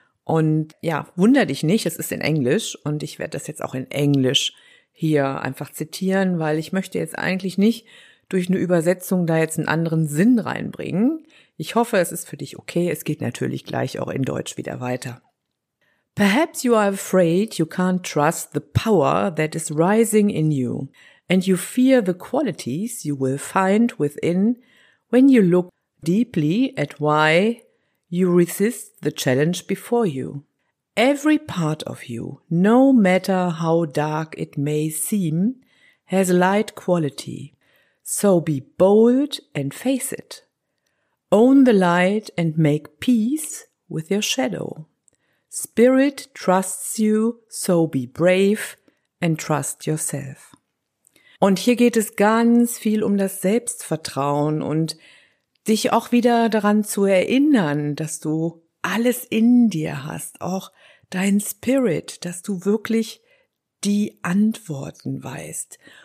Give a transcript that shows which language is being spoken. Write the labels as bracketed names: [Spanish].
[German] Und ja, wunder dich nicht, es ist in Englisch und ich werde das jetzt auch in Englisch hier einfach zitieren, weil ich möchte jetzt eigentlich nicht durch eine Übersetzung da jetzt einen anderen Sinn reinbringen. Ich hoffe, es ist für dich okay. Es geht natürlich gleich auch in Deutsch wieder weiter. [English] Perhaps you are afraid you can't trust the power that is rising in you. And you fear the qualities you will find within when you look deeply at why you resist the challenge before you. Every part of you, no matter how dark it may seem, has light quality. So be bold and face it. Own the light and make peace with your shadow. Spirit trusts you, so be brave and trust yourself. [German] Und hier geht es ganz viel um das Selbstvertrauen und dich auch wieder daran zu erinnern, dass du alles in dir hast, auch dein Spirit, dass du wirklich die Antworten weißt.